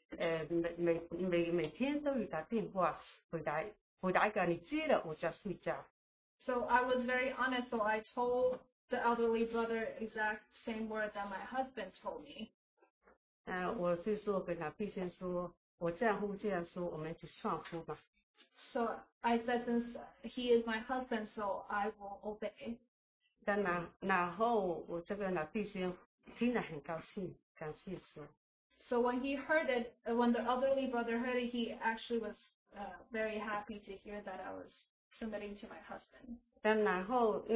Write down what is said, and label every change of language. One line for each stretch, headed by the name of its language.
English: So I was very honest, so I told the elderly brother exact same word that my husband told me.
Chinese: 我就说跟他弟兄说，我丈夫这样说，我们就算数吧。
English: So I said, since he is my husband, so I will obey.
Chinese: 然后我这个老弟兄听了很高兴，感谢说。
English: So when he heard it, when the elderly brother heard it, he actually was very happy to hear that I was submitting to my husband.